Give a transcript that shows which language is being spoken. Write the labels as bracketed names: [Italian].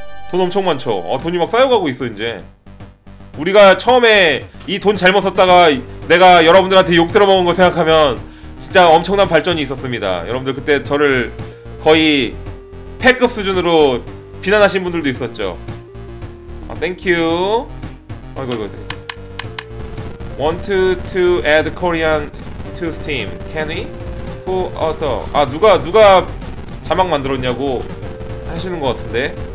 [Korean] 돈 엄청 많죠? 어, 돈이 막 쌓여가고 있어, 이제. 우리가 처음에 이 돈 잘못 썼다가 내가 여러분들한테 욕 들어먹은 거 생각하면 진짜 엄청난 발전이 있었습니다. 여러분들 그때 저를 거의 폐급 수준으로 비난하신 분들도 있었죠. 아, 땡큐. 아이고. [English] Want to add Korean to Steam? Can we? Who other? [Korean] 아 누가 자막 만들었냐고 하시는 것 같은데.